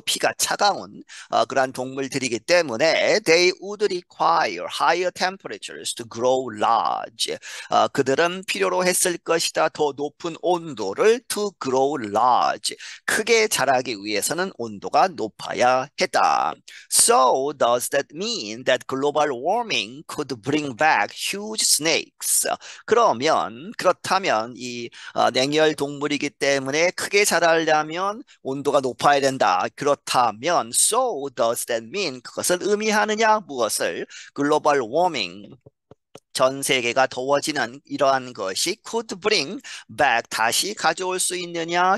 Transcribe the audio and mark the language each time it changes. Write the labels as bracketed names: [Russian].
[Korean] 피가 차가운 그러한 동물들이기 때문에 [English] they would require higher temperatures to grow large. [Korean] 그들은 필요로 했을 것이다. 더 높은 온도를 [English] to grow large. [Korean] 크게 자라기 위해서는 온도가 높아야 했다. [English] So does that mean that global warming could bring back huge Snakes. [Korean] 그렇다면 이 냉혈 동물이기 때문에 크게 자라려면 온도가 높아야 된다. 그렇다면 [English] so does that mean [Korean] 그것을 의미하느냐? 무엇을? 글로벌 워밍. 전 세계가 더워지는 이러한 것이 [English] could bring back [Korean] 다시 가져올 수 있느냐?